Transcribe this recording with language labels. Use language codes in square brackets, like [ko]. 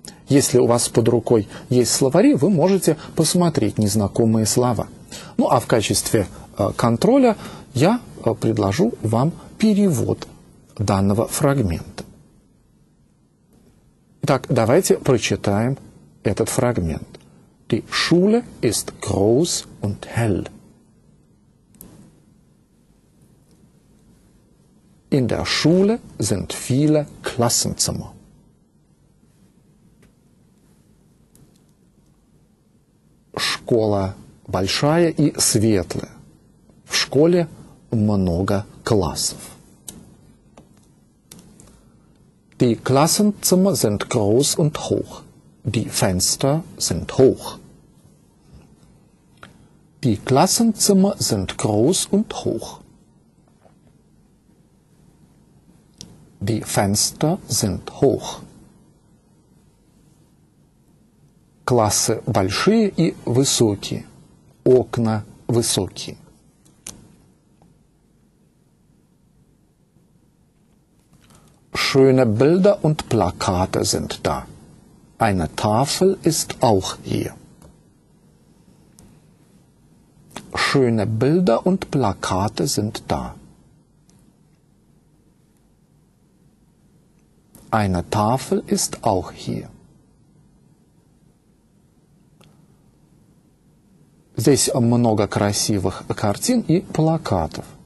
[ru] Если у вас под рукой есть словари, вы можете посмотреть незнакомые слова. Ну, а в качестве контроля я предложу вам перевод данного фрагмента. Итак, давайте прочитаем этот фрагмент. [de] Die Schule ist groß und hell. In der Schule sind viele Klassenzimmer. [ru] Школа большая и светлая. В школе много классов. [de] Die Klassenzimmer sind groß und hoch. Die Fenster sind hoch. Die Klassenzimmer sind groß und hoch. Die Fenster sind hoch. [ru] Классы большие и высокие. Окна высокие. [de] Schöne Bilder und Plakate sind da. Eine Tafel ist auch hier. Schöne Bilder und Plakate sind da. Eine Tafel ist auch hier. [ru] Здесь много красивых картин и плакатов.